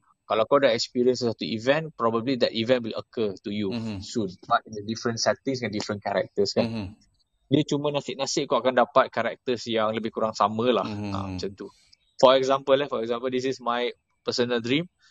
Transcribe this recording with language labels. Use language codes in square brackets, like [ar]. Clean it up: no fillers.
[ms] Kalau kau dah [en] experience satu event, probably that event will occur to you soon. But in a different settings and different characters [ms] kan. Dia cuma nasib-nasib kau akan dapat karakter yang lebih kurang sama lah. Ha, macam tu. [en] For example lah, for example, this is my personal dream.